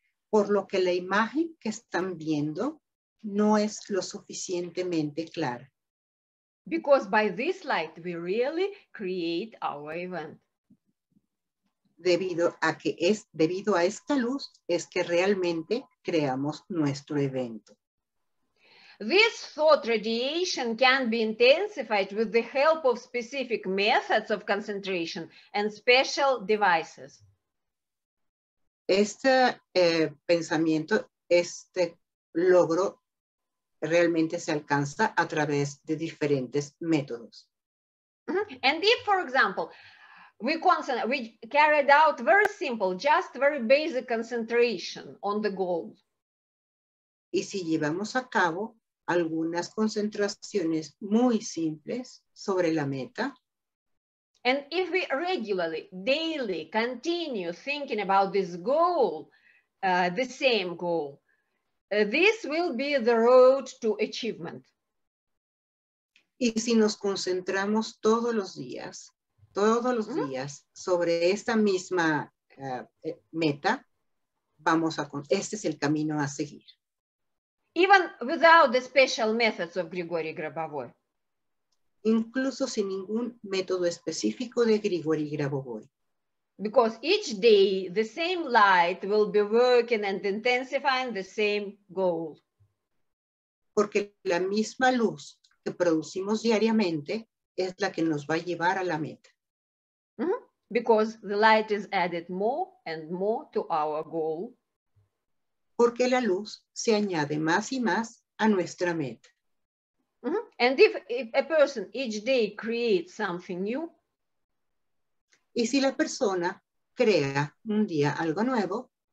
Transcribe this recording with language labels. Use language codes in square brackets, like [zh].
[es] Por lo que la imagen que están viendo no es lo suficientemente clara. [en] Because by this light we really create our event. [es] Debido a esta luz es que realmente creamos nuestro evento. [en] This thought radiation can be intensified with the help of specific methods of concentration and special devices. [es] Este pensamiento, este logro, realmente se alcanza a través de diferentes métodos. [en] And if, for example, we carried out very simple, just very basic concentration on the goal. [es] Y si llevamos a cabo algunas concentraciones muy simples sobre la meta. [en] And if we regularly, daily, continue thinking about this goal, the same goal, this will be the road to achievement. [es] Y si nos concentramos todos los días sobre esta misma meta, este es el camino a seguir. [en] Even without the special methods of Grigori Grabovoi. [es] Incluso sin ningún método específico de Grigori Grabovoi. [en] Because each day the same light will be working and intensifying the same goal. [es] Porque la misma luz que producimos diariamente es la que nos va a llevar a la meta. [en] Because the light is added more and more to our goal. [es] Porque la luz se añade más y más a nuestra meta. [en] And if a person each day creates something new, [es] Y si la persona crea un día algo nuevo,